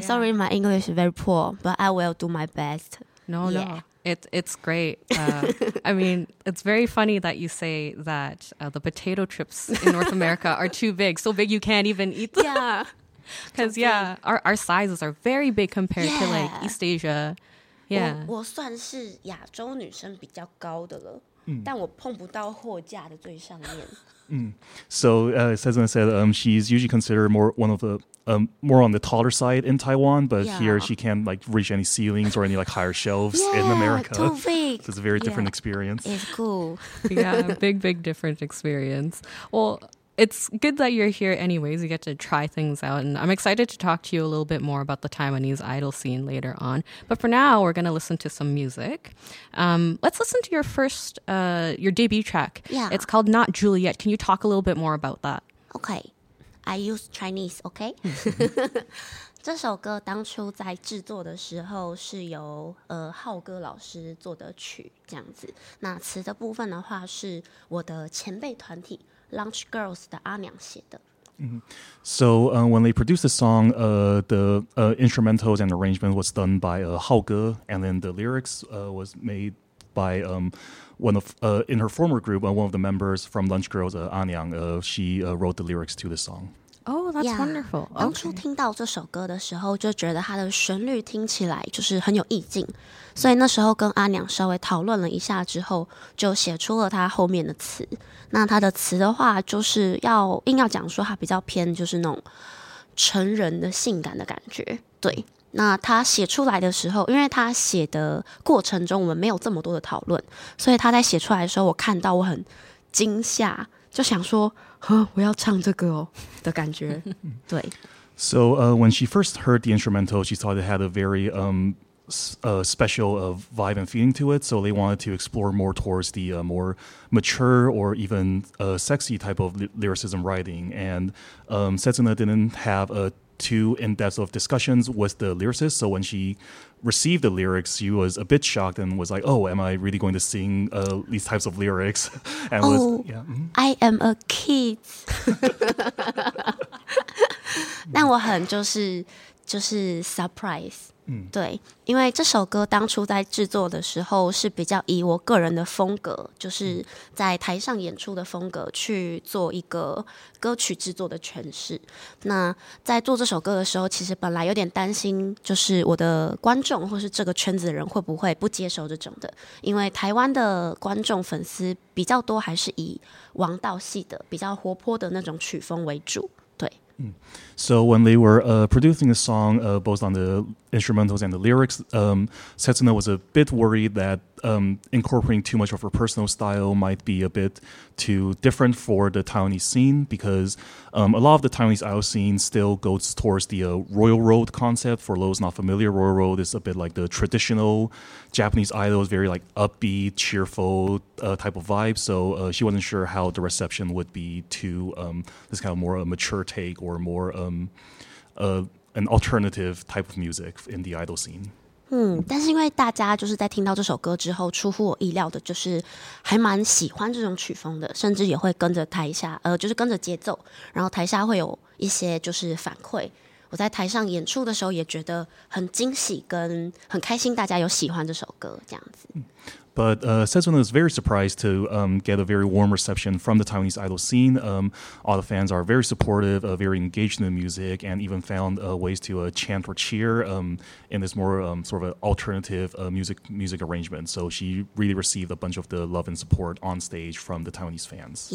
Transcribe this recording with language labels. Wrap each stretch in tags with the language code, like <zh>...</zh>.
<en>Sorry, my English is very poor, but I will do my best. No. It's great. I mean, it's very funny that you say that the potato chips in North America are too big. So big you can't even eat them. Yeah. Because, our sizes are very big compared to, like, East Asia. Yeah.</en> <zh>我算是亚洲女生比较高的了,但我碰不到货架的最上面。</zh> <en>So, Sezana said she's usually considered more on the taller side in Taiwan, but here she can't like reach any ceilings or any like higher shelves in America. Too big. So it's a very different experience. It's cool. Yeah, big different experience. Well, it's good that you're here anyways. You get to try things out. And I'm excited to talk to you a little bit more about the Taiwanese idol scene later on. But for now, we're going to listen to some music. Let's listen to your first, your debut track. Yeah. It's called Not Juliet. Can you talk a little bit more about that? Okay. I use Chinese, okay?</en> <zh>这首歌当初在制作的时候是由浩哥老师做的曲这样子，那词的部分的话是我的前辈团体 Lunch Girls 的阿娘写的。</zh> <en>So when they produced the song, the instrumentals and arrangement was done by Hao Ge, and then the lyrics was made by in her former group, one of the members from Lunch Girls, Anyang. She wrote the lyrics to the song. Oh, that's wonderful. Okay.</en> <zh>当初听到这首歌的时候，就觉得它的旋律听起来就是很有意境，所以那时候跟阿娘稍微讨论了一下之后，就写出了它后面的词。那它的词的话，就是要硬要讲说它比较偏就是那种成人的性感的感觉。对，那它写出来的时候，因为它写的过程中我们没有这么多的讨论，所以它在写出来的时候，我看到我很惊吓，就想说。我要唱这个哦的感觉，对。</zh> <en>So when she first heard the instrumental, she thought it had a very special vibe and feeling to it. So they wanted to explore more towards the more mature or even sexy type of lyricism writing. And Setsuna didn't have too in-depth of discussions with the lyricist. So when she received the lyrics, she was a bit shocked and was like, oh, am I really going to sing these types of lyrics? And oh, was, yeah. Mm-hmm. I am a kid.</en> <zh>但我很就是 surprise. 对，因为这首歌当初在制作的时候是比较以我个人的风格，就是在台上演出的风格去做一个歌曲制作的诠释。那在做这首歌的时候，其实本来有点担心，就是我的观众或是这个圈子的人会不会不接受这种的，因为台湾的观众粉丝比较多，还是以王道系的比较活泼的那种曲风为主。</zh> <en>So when they were producing the song, both on the instrumentals and the lyrics, Setsuna was a bit worried that incorporating too much of her personal style might be a bit too different for the Taiwanese scene, because a lot of the Taiwanese idol scene still goes towards the Royal Road concept. For those not familiar, Royal Road is a bit like the traditional Japanese idol, very like upbeat, cheerful type of vibe. So she wasn't sure how the reception would be to this kind of more mature take or more an alternative type of music in the idol scene.</en> <zh>但是因为大家就是在听到这首歌之后，出乎我意料的就是还蛮喜欢这种曲风的，甚至也会跟着台下就是跟着节奏，然后台下会有一些就是反馈。我在台上演出的时候也觉得很惊喜跟很开心，大家有喜欢这首歌这样子。</zh> <en>But Setsuna is very surprised to get a very warm reception from the Taiwanese idol scene. All the fans are very supportive, very engaged in the music, and even found ways to chant or cheer in this more sort of an alternative music arrangement. So she really received a bunch of the love and support on stage from the Taiwanese fans.</en>